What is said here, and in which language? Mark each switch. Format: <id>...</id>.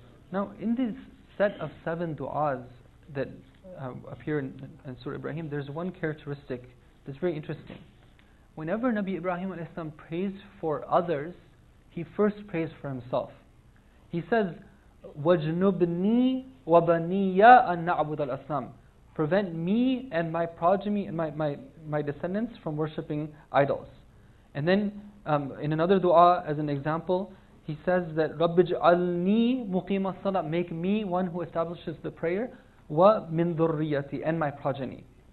<en>Now, in this set of seven du'as that appear in Surah Ibrahim, there's one characteristic that's very interesting. Whenever Nabi Ibrahim alayhi salam prays for others, he first prays for himself. He says,</en> <ar>وَجْنُبْنِي وَبَنِيَّ أَن نَعْبُدَ الْأَصْنَامِ.</ar> <en>Prevent me and my progeny and my descendants from worshipping idols. And then in another dua, as an example, he says that</en> <ar>رَبِّ جَعَلْنِي مُقِيمَ الصَّلَةِ.</ar> <en>Make me one who establishes the prayer.</en> <ar>وَمِن ذُرِّيَّتِي.</ar> <en>And my progeny.</en>